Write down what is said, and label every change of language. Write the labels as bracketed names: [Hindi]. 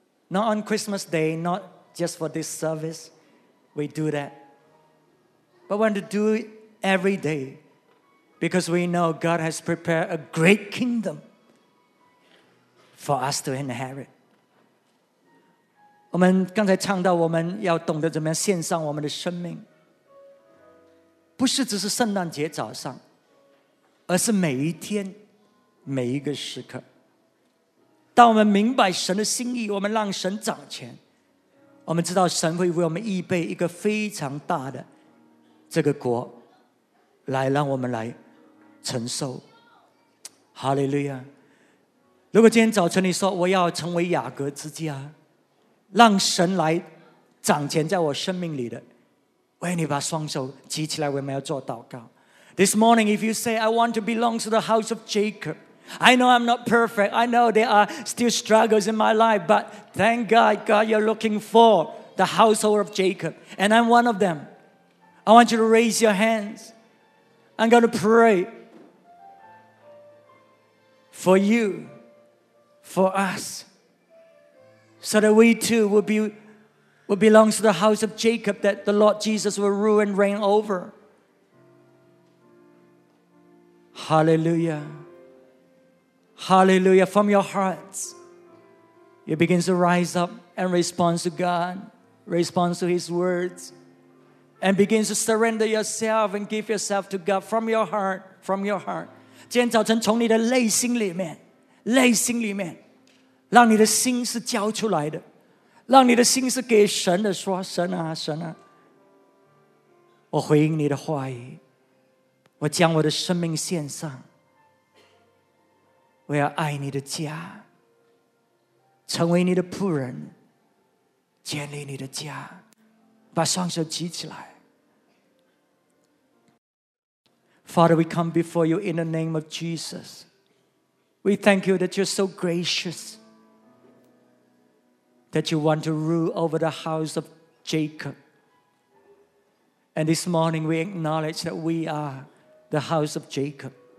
[English] Not on Christmas Day, not just for this service, we do that. But we want to do it every day because we know God has prepared a great kingdom for us to inherit. [Chinese] 我们刚才唱到我们要懂得怎么样献上我们的生命，不是只是圣诞节早上，而是每一天每一个时刻。当我们明白神的心意，我们让神掌权，我们知道神会为我们预备一个非常大的这个国来让我们来承受。哈利路亚。如果今天早晨你说我要成为雅各之家，让神来掌权在我生命里的，我愿你把双手举起来，我们要做祷告。 [English] This morning if you say I want to belong to the house of Jacob, I know I'm not perfect, I know there are still struggles in my life, but thank God, God, you're looking for the household of Jacob, and I'm one of themI want you to raise your hands. I'm going to pray for you, for us, so that we too will belong to the house of Jacob, that the Lord Jesus will rule and reign over. Hallelujah. Hallelujah. From your hearts, you begin to rise up and respond to God, respond to His words. And begin to surrender yourself and give yourself to God from your heart, from your heart. [Chinese] 今天早晨从你的内心里面，内心里面，让你的心是交出来的，让你的心是给神的，说神啊，神啊，我回应你的话语，我将我的生命献上，我要爱你的家，成为你的仆人，建立你的家。把双手举起来。 [English] Father, we come before you in the name of Jesus. We thank you that you're so gracious, that you want to rule over the house of Jacob. And this morning we acknowledge that we are the house of Jacob.